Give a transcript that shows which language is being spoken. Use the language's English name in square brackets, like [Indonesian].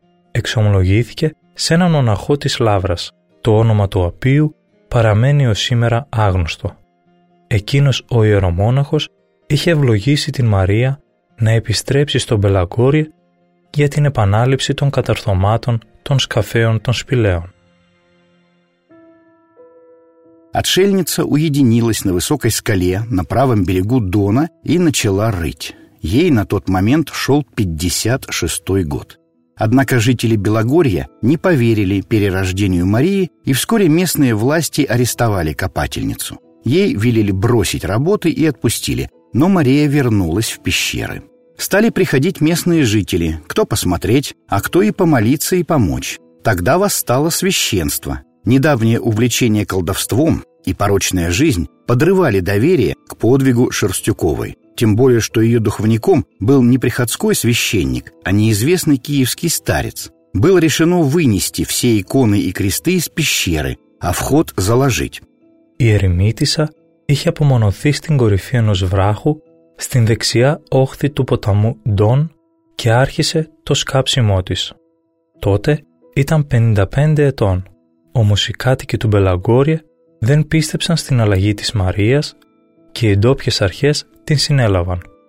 [Greek] Εξομολογήθηκε σε έναν μοναχό της Λαύρας, το όνομα του οποίου παραμένει ως σήμερα άγνωστο. Εκείνος ο ιερομόναχος είχε ευλογήσει την Μαρία να επιστρέψει στον Μπελαγκόρια για την επανάληψη των καταρθωμάτων των σκαφέων των σπηλαίων. [Russian] Отшельница уединилась на высокой скале на правом берегу Дона и начала рыть. Ей на тот момент шел 56-й год. Однако жители Белогорья не поверили перерождению Марии и вскоре местные власти арестовали копательницу. Ей велели бросить работы и отпустили, но Мария вернулась в пещеры. Стали приходить местные жители, кто посмотреть, а кто и помолиться и помочь. Тогда восстало священство. Недавнее увлечение колдовством и порочная жизнь подрывали доверие к подвигу Шерстюковой. Тем более, что ее духовником был не приходской священник, а неизвестный киевский старец. Было решено вынести все иконы и кресты из пещеры, а вход заложить. [Greek] Η ερημίτισσα είχε απομονωθεί στην κορυφή ενός βράχου, στην δεξιά όχθη του ποταμού Ντόν και άρχισε το σκάψιμό της. Τότε ήταν 55 ετών. Όμως οι κάτοικοι του Μπελαγκόρια δεν πίστεψαν στην αλλαγή της Μαρίας και οι ντόπιες αρχές την συνέλαβαν.